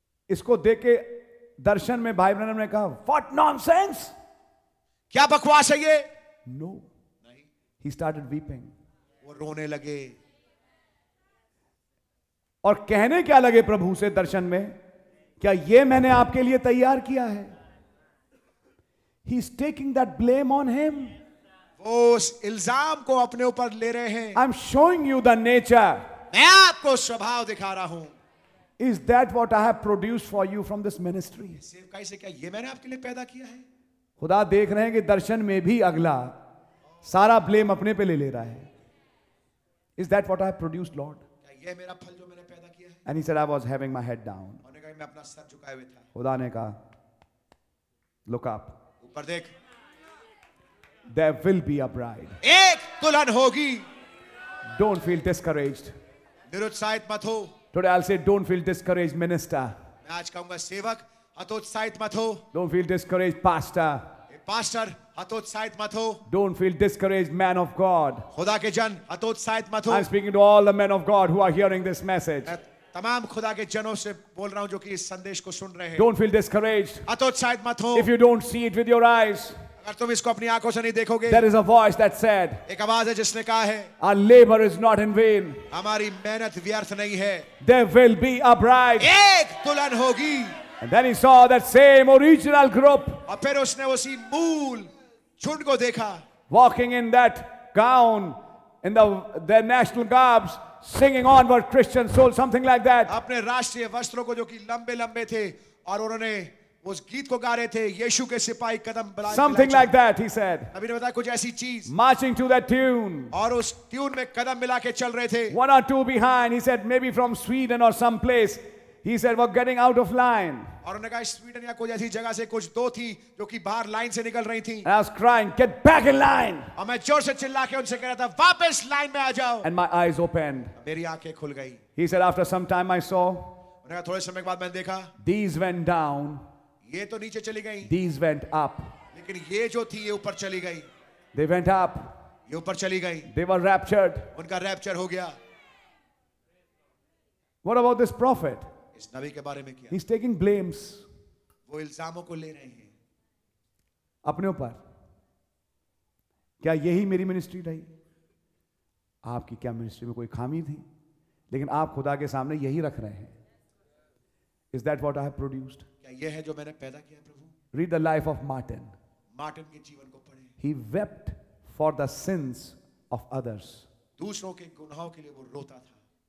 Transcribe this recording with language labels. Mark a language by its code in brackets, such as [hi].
[hi] इसको देख के दर्शन में भाई ब्रैनम ने कहा, [en] what nonsense, [hi] क्या बकवास है ये. [en] no [hi] नहीं. [en] He started weeping. [hi] वो रोने लगे और कहने क्या लगे प्रभु से दर्शन में, क्या ये मैंने आपके लिए तैयार किया है. [en] He's taking that blame on him. [hi] वो उस इल्जाम को अपने ऊपर ले रहे हैं. [en] I'm showing you the nature. [hi] मैं आपको स्वभाव दिखा रहा हूं. [en] Is that what I have produced for you from this ministry? [hi] सेवकाई से क्या ये मैंने आपके लिए पैदा किया है? खुदा देख रहे हैं कि दर्शन में भी अगला सारा ब्लेम अपने पे ले रहा है. [en] Is that what I have produced, Lord? [hi] क्या ये मेरा फल जो मैंने पैदा किया है? [en] And he said, I was having my head down. [hi] उन्होंने कहा मैं अपना सर झुकाए हुए था. खुदा ने कहा, [en] Look up. [hi] ऊपर देख. [en] There will be a bride. [hi] एक दुल्हन होगी. [en] Don't feel discouraged. [hi] निरुत्साहित मत हो. [en] Today I'll say, Don't feel discouraged, minister. [hi] मैं आज कहूंगा सेवक हतोत्साहित मत हो. [en] Don't feel discouraged, pastor. [hi] Pastor हतोत्साहित मत हो. [en] Don't feel discouraged, man of God. [hi] खुदा के जन हतोत्साहित मत हो. [en] I'm speaking to all the men of God who are hearing this message. [hi] तमाम खुदा के जनों से बोल रहा हूं जो कि इस संदेश को सुन रहे हैं. [en] Don't feel discouraged. [hi] हतोत्साहित मत हो. [en] If you don't see it with your eyes, [hi] अगर तुम इसको अपनी आंखों से नहीं देखोगे. [en] There is a voice that said, [hi] एक आवाज है जिसने कहा है, [en] Our labor is not in vain. [hi] हमारी मेहनत व्यर्थ नहीं है. [en] There will be a bride. [hi] एक दुल्हन होगी. [en] And then he saw that same original group. [hi] और फिर उसने उसी मूल झुंड को देखा. [en] Walking in that gown, in their national garbs, singing onward Christian soul, something like that. [hi] अपने राष्ट्रीय वस्त्रों को जो कि लंबे लंबे थे और उन्होंने उस गीत को गा रहे थे, यीशु के सिपाही कदम बुलाए. [en] Something like that, he said. [hi] अभी ने बताया कुछ ऐसी चीज. [en] Marching to that tune. [hi] और उस ट्यून में कदम मिला के चल रहे थे. [en] One or two behind, he said, maybe from Sweden or some place. He said, "We're getting out of line." [hi] और उन्होंने कहा स्वीडन या कोई ऐसी जगह से कुछ दो थी जो कि बाहर लाइन से निकल रही थी. [en] And I was crying, "Get back in line!" [hi] और मैं जोर से चिल्ला के उनसे कह रहा था, "वापस लाइन में आ जाओ!" [en] And my eyes opened. [hi] मेरी आंखें खुल गई. [en] He said, "After some time, I saw." [hi] उन्होंने कहा थोड़े समय के बाद मैंने देखा. [en] These went down. [hi] ये तो नीचे चली गई. [en] These went up. [hi] लेकिन ये जो थी ये ऊपर चली गई. [en] They went up. [hi] ये ऊपर चली गई. [en] They were raptured. [hi] उनका रैप्चर हो गया. [en] What about this prophet? [hi] नबी के बारे में क्या? [en] He's taking blames. [hi] वो इल्जामों को ले रहे हैं अपने ऊपर. क्या यही मेरी मिनिस्ट्री रही? आपकी क्या मिनिस्ट्री में कोई खामी थी? लेकिन आप खुदा के सामने यही रख रहे हैं. [en] Is that what I have produced? [hi] क्या ये है जो मैंने पैदा किया प्रभु? [en] Read the life of Martin. [hi] Martin के जीवन को पढ़ें. [en] He wept for the sins of others. [hi] दूसरों के गुनाहों के लिए वो रोता था.